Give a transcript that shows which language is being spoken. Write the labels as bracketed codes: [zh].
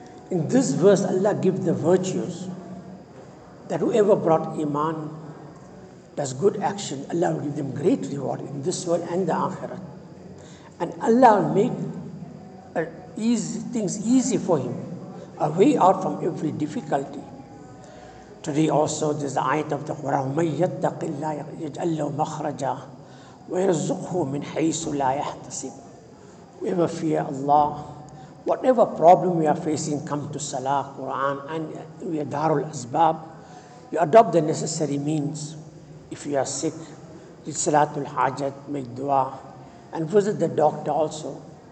[en] In this verse, Allah gives the virtues that whoever brought iman, does good action, Allah will give them great reward in this world and the akhirah. And Allah will make things easy for him, a way out from every difficulty. Today also, there's the ayat of the Quran, [ar] مَنْ يَتَّقِ اللَّهِ يَجْعَلْ لَهُ مَخْرَجًا وَيَرْزُقْهُ مِنْ حَيْسُ لَا يَحْتَسِبُ. [en] Whoever fear Allah, whatever problem we are facing, come to Salah, Quran, and we are Darul Asbab. You adopt the necessary means. If you are sick, read Salatul Hajat, make dua, and visit the doctor also.